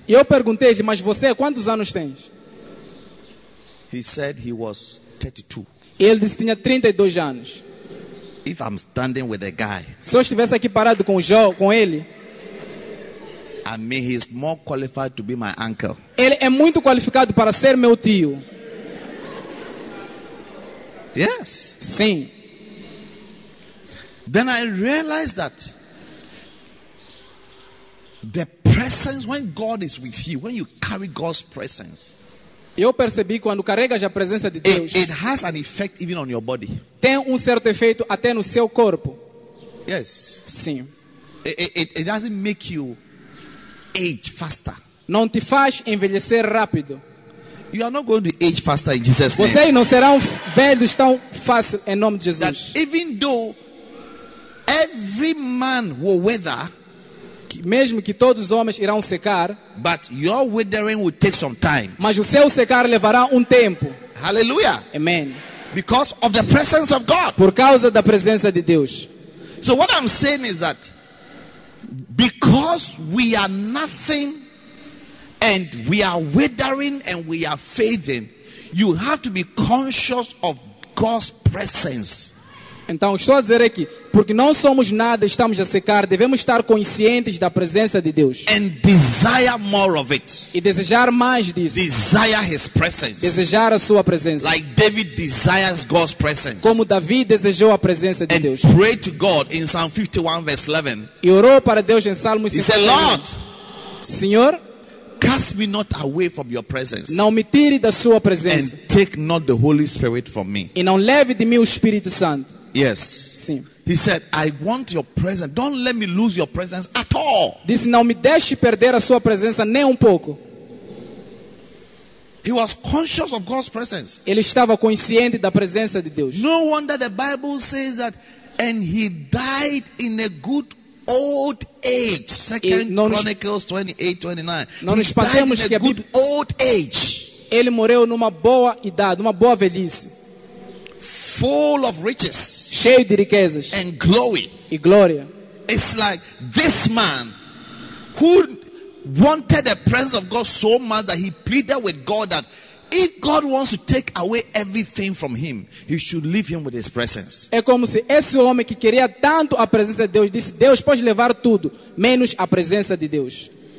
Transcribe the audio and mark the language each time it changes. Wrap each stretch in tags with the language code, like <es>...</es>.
<pt>Eu perguntei-lhe, mas você quantos anos tens?</pt> <en>He said he was 32.</en> <pt>Ele disse que tinha 32 anos.</pt> <en>If I'm standing with a guy,</en> <pt>se eu estivesse aqui parado com o João, com ele,</pt> <en>I mean, he's more qualified to be my uncle.</en> <pt>Ele é muito qualificado para ser meu tio.</pt> <en>Yes.</en> <pt>Sim.</pt> <en>Then I realized that the presence, when God is with you, when you carry God's presence,</en> <pt>eu percebi quando carregas a presença de Deus,</pt> <en>it has an effect even on your body.</en> <pt>Tem certo efeito até no seu corpo.</pt> <en>Yes.</en> <pt>Sim.</pt> <en>It doesn't make you age faster.</en> <pt>Não te faz envelhecer rápido.</pt> <en>You are not going to age faster in Jesus' name.</en> <pt>Vocês não serão velhos tão fácil em nome de Jesus.</pt> <en>That even though every man will wither,</en> <pt>mesmo que todos os homens irão secar,</pt> <en>but your withering will take some time.</en> <pt>Mas o seu secar levará tempo. Hallelujah. Amen.</pt> <en>Because of the presence of God.</en> <pt>Por causa da presença de Deus.</pt> <en>So what I'm saying is that because we are nothing and we are withering and we are fading, you have to be conscious of God's presence.</en> <pt>Então, estou a dizer aqui, porque não somos nada, estamos a secar, devemos estar conscientes da presença de Deus.</pt> <en>And desire more of it.</en> <pt>E desejar mais disso.</pt> <en>Desire his presence.</en> <pt>Desejar a sua presença.</pt> <en>Like David desires God's presence.</en> <pt>Como Davi desejou a presença de</pt> <en>and</en> <pt>Deus.</pt> <en>Pray to God in Psalm 51 verse 11.</en> <pt>E orou para Deus em Salmo 51.</pt> <en>He said, Lord,</en> <pt>Senhor,</pt> <en>cast me not away from your presence.</en> <pt>Não me tire da sua presença.</pt> <en>And take not the Holy Spirit from me.</en> <pt>E não leve de mim o Espírito Santo.</pt> <en>Yes.</en> <pt>Sim.</pt> <en>He said, I want your presence. Don't let me lose your presence at all.</en> <pt>Disse, não me deixe perder a sua presença nem pouco.</pt> <en>He was conscious of God's presence.</en> <pt>Ele estava consciente da presença de Deus.</pt> <en>No wonder the Bible says that, and he died in a good old age. 2 Chronicles 28:29.</en> <pt>Ele morreu numa boa idade, numa boa velhice.</pt> <en>Full of riches.</en> <pt>Cheio de riquezas.</pt> <en>And glory.</en> <pt>E glória.</pt> <en>It's like this man who wanted the presence of God so much that he pleaded with God that if God wants to take away everything from him, he should leave him with his presence.</en> <pt>É como se esse homem que queria tanto a presença de Deus disse, Deus pode levar tudo, menos a presença de Deus.</pt>